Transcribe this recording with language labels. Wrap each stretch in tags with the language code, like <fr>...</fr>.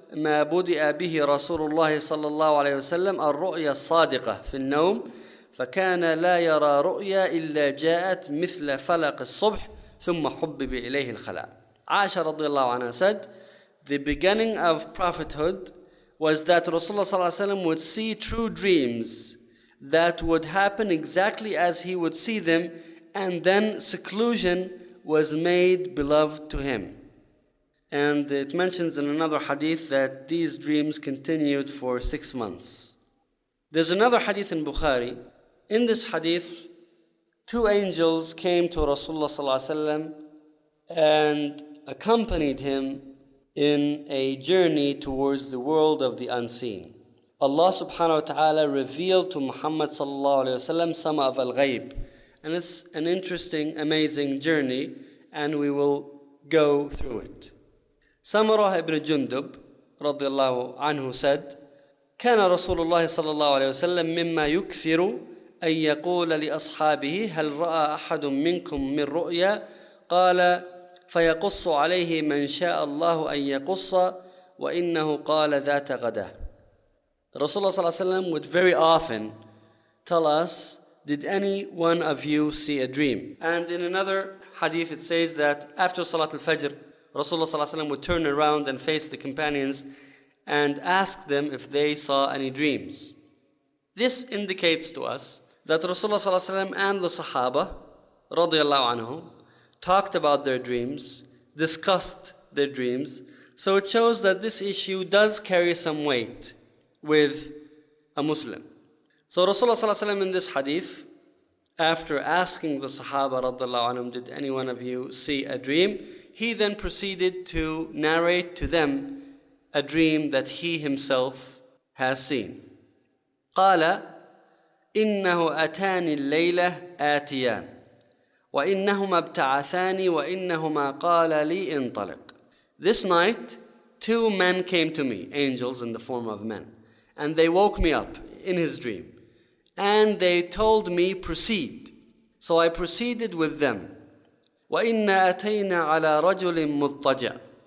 <ar>ما بدأ به رسول الله صلى الله عليه وسلم الرؤيا الصادقة في النوم، فكان لا يرى رؤيا إلا جاءت مثل فلق الصبح ثم حبب إليه الخلاء.</ar> <en>عائشة رضي الله عنها said, the beginning of prophethood was that Rasulullah صلى الله عليه وسلم would see true dreams that would happen exactly as he would see them, and then seclusion was made beloved to him. And it mentions in another hadith that these dreams continued for 6 months. There's another hadith in Bukhari. In this hadith, two angels came to Rasulullah صلى الله عليه وسلم and accompanied him in a journey towards the world of the unseen. Allah subhanahu wa ta'ala revealed to Muhammad sallallahu alayhi wa sallam some of al-ghayb. And it's an interesting, amazing journey, and we will go through it.</en> <ar>Samurah ibn Jundub radiallahu anhu said, كان رسول الله صلى الله عليه وسلم مما يكثر أن يقول لأصحابه هل رأى أحد منكم من رؤيا؟ قال فيقص عليه من شاء الله أن يقص وإنه قال ذات غدا.</ar> <en>Rasulullah صلى الله عليه وسلم would very often tell us, did any one of you see a dream? And in another hadith it says that after Salat al-Fajr, Rasulullah صلى الله عليه وسلم would turn around and face the companions and ask them if they saw any dreams. This indicates to us that Rasulullah صلى الله عليه وسلم and the Sahaba رضي الله عنهم talked about their dreams, discussed their dreams, so it shows that this issue does carry some weight with a Muslim. So Rasulullah ﷺ in this hadith, after asking the Sahaba radhiallahu anhum, did any one of you see a dream? He then proceeded to narrate to them a dream that he himself has seen.</en> <ar>قال إنه أتاني الليلة آتيان وإنهما ابتعثاني وإنهما قال لي انطلق.</ar> <en>This night, two men came to me, angels in the form of men, and they woke me up in his dream, and they told me proceed. So I proceeded with them.</en> <ar>وَإِنَّا أَتَيْنَا عَلَى رَجُلٍ مُضْطَجَعٍ.</ar>